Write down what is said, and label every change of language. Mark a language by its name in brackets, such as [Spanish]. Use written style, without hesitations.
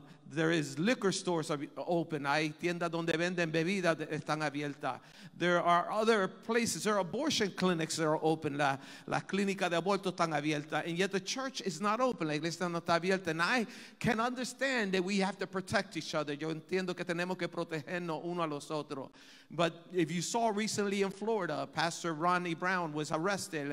[English] There is liquor stores are open. [Spanish] Hay tiendas donde venden bebidas están abiertas. [English] There are other places. There are abortion clinics that are open. [Spanish] La clínica de aborto están abiertas. [English] And yet the church is not open. [Spanish] La iglesia no está abierta. [English] And I can understand that we have to protect each other. [Spanish] Yo entiendo que tenemos que protegernos uno a los otros. [English] But if you saw recently in Florida, Pastor Ronnie Brown was arrested.